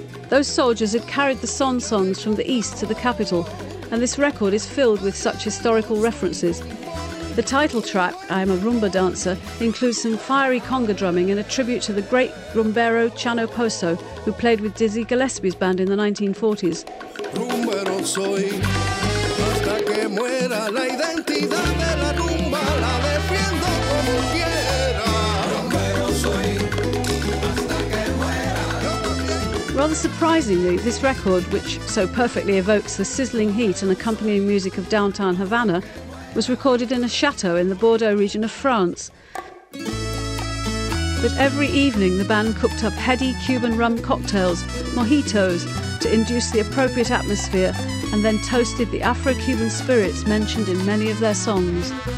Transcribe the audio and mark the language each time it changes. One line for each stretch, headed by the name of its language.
English: Those soldiers had carried the son songs from the east to the capital, and this record is filled with such historical references. The title track, I Am a Rumba Dancer, includes some fiery conga drumming in a tribute to the great rumbero Chano Poso, who played with Dizzy Gillespie's band in the 1940s.
Spanish: Rumbero soy, hasta que muera la identidad de la rumba, la defiendo como quiera. Rumbero soy.
English: Rather surprisingly, this record, which so perfectly evokes the sizzling heat and accompanying music of downtown Havana, was recorded in a chateau in the Bordeaux region of France. But every evening, the band cooked up heady Cuban rum cocktails, mojitos, to induce the appropriate atmosphere, and then toasted the Afro-Cuban spirits mentioned in many of their songs.